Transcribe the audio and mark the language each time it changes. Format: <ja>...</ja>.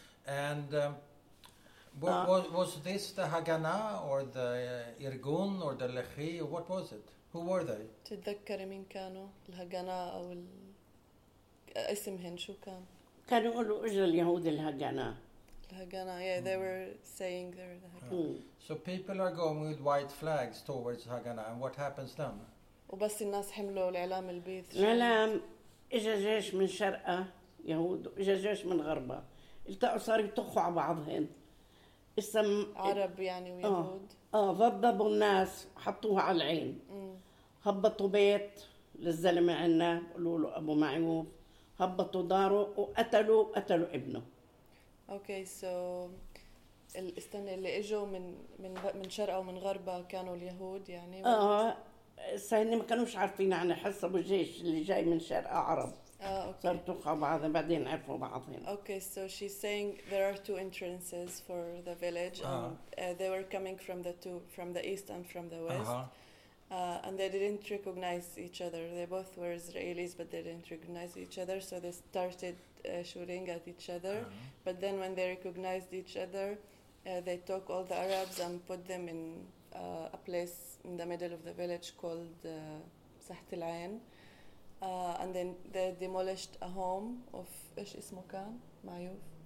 <en>And was this the Haganah or the Irgun or the Lehi? What was it? Who were they?</en> <ar>تتذكر مين كانوا الهaganah أو ال... اسمهن شو كان؟ كانوا يقولوا إجا اليهود الهaganah.</ar> <en>Haganah, yeah, they were saying they were the Haganah. So people are going with white flags towards Haganah, and what happens then?</en> <ar>وبس الناس حملوا الإعلام البيض. الإعلام إجا جيش من شرقه يهود إجا جيش من غربه. التقوا صاروا يطخوا على بعضهن. اسم عرب يعني ويهود. ضربوا الناس حطوها على العين. هبطوا بيت للزلمة عنا قالوا له أبو معيوف. هبطوا داره وقتلوا ابنه.</ar> <en>Okay, so</en> <ar>الاستنى اللي اجوا من شرقه ومن غربه كانوا اليهود يعني هن ما كانواش عارفين عن حصه بالجيش اللي جاي من شرقه عرب</ar> <en>okay</en> <ar>صرتوا بعض بعدين عرفوا بعضهم</ar> <en>Okay, so she's saying there are two entrances for the village and they were coming from the east and from the west and they didn't recognize each other they both were Israelis but they didn't recognize each other so they started shooting at each other but then when they recognized each other they took all the Arabs and put them in a place in the middle of the village called Saht El Ayn and then they demolished a home of</en> <ar>ايش اسمه كان معيوف</ar>